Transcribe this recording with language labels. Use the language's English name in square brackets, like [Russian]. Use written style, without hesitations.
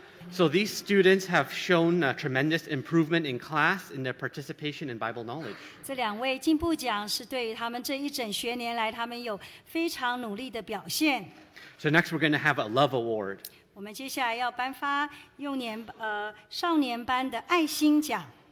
[English] So these students have shown a tremendous improvement in class in their participation in Bible knowledge. [Chinese] 这两位进步奖是对于他们这一整学年来他们有非常努力的表现。 [English] So next we're going to have a love award. [Chinese] 我们接下来要颁发幼年少年班的爱心奖。